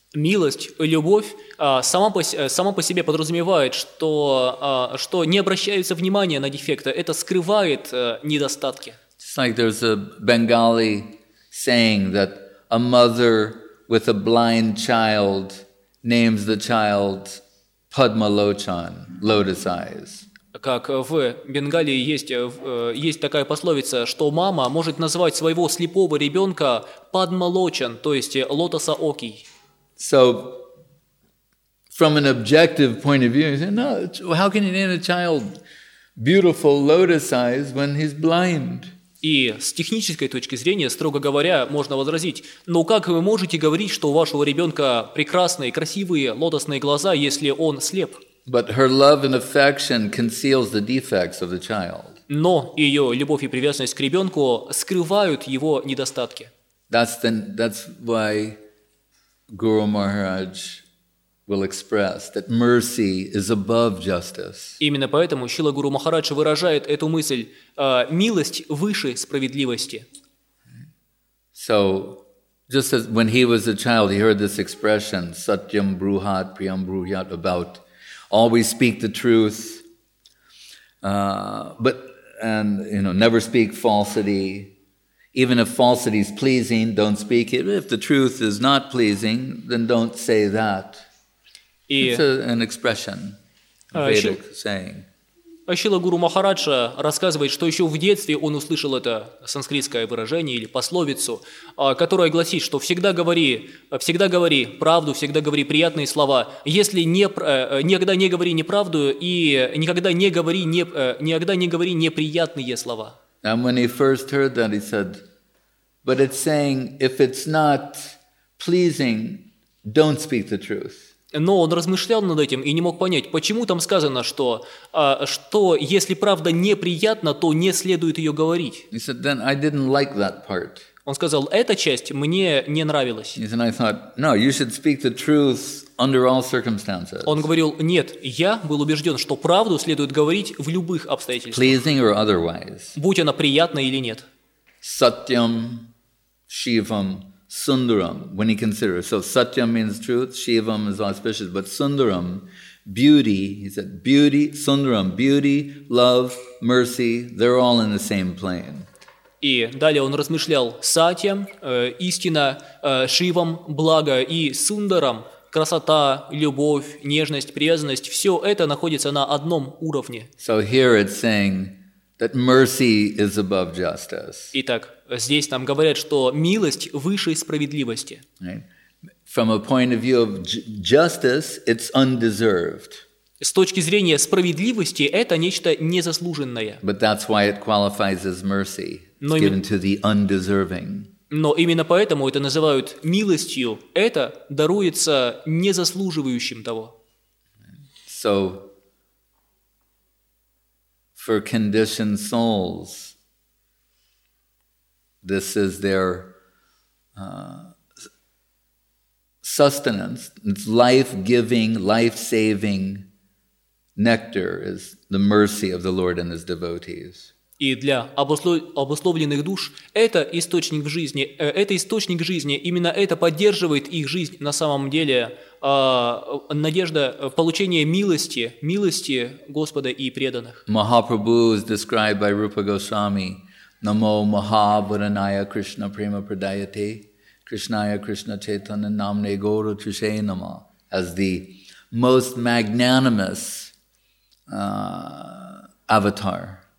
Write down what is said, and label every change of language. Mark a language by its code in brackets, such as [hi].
[ru] Милость, любовь сама по себе подразумевает, что не обращается внимания на дефекты. Это скрывает недостатки. [en] It's like there's a Bengali saying that a mother with a blind child names the child Padmalochan, lotus eyes. [ru] Как в Бенгалии есть такая пословица, что мама может назвать своего слепого ребенка Padmalochan, то есть лотосоокий. [en] So, from an objective point of view, you say, no, how can you name a child beautiful lotus eyes when he's blind? [ru] И с технической точки зрения, строго говоря, можно возразить, но как вы можете говорить, что у вашего ребенка прекрасные, красивые, лотосные глаза, если он слеп? [en] But her love and affection conceals the defects of the child. [ru] Но ее любовь и привязанность к ребенку скрывают его недостатки. [en] That's why Guru Maharaj will express that mercy is above justice. [ru] Именно поэтому Шрила Гуру Махарадж выражает эту мысль: милость выше справедливости. [en] So Just as when he was a child, he heard this expression, [sa] satyam bruhat priyam bruhyat, [en] about always speak the truth, but never speak falsity. Even if falsity is pleasing, don't speak it. If the truth is not pleasing, then don't say that. It's an expression, a Vedic saying. [ru] Шрила Гуру Махараджа рассказывает, что еще в детстве он услышал это санскритское выражение или пословицу, которая гласит, что всегда говори правду, всегда говори приятные слова, если не, никогда не говори неправду и никогда не говори, не, никогда не говори неприятные слова. [en] And when he first heard that, he said, but it's saying, if it's not pleasing, don't speak the truth. [ru] Но он размышлял над этим и не мог понять, почему там сказано, что, что если правда неприятна, то не следует ее говорить. [en] He said, then I didn't like that part. [ru] Он сказал, эта часть мне не нравилась. [en] He said, I thought, no, you should speak the truth under all circumstances. [ru] Он говорил, нет, я был убежден, что правду следует говорить в любых обстоятельствах. [en] Pleasing or otherwise. [ru] Будь она приятна или нет. [en] Satyam, Shivam. Sundaram, when he considers. So Satyam means truth, Shivam is auspicious, but Sundaram, beauty, he said, beauty, Sundaram, beauty, love, mercy, they're all in the same plane. [ru] И далее он размышлял Сатьям, истина, Шивам, благо, и Сундарам, красота, любовь, нежность, привязанность, все это находится на одном уровне. [en] So here it's saying that mercy is above justice. [ru] Итак, здесь нам говорят, что милость выше справедливости. [en] Right. From a point of view of justice, it's undeserved. [ru] С точки зрения справедливости, это нечто незаслуженное. [en] But that's why it qualifies as mercy. It's given to the undeserving. [ru] Но именно поэтому это называют милостью. Это даруется незаслуживающим того. [en] So, for conditioned souls, this is their sustenance. It's life-giving, life-saving nectar is the mercy of the Lord and His devotees. [ru] И для обусловленных душ это источник жизни. Это источник жизни. Именно это поддерживает их жизнь на самом деле. Надежда получения милости, милости Господа и преданных. [en] Mahaprabhu is described by Rupa Goswami. [sa] Namo Mahabharanaya Krishna Prema Pradayate Krishnaya Krishna Chaitanya Namne Goro Chushe Nama, [en] as the most magnanimous avatar.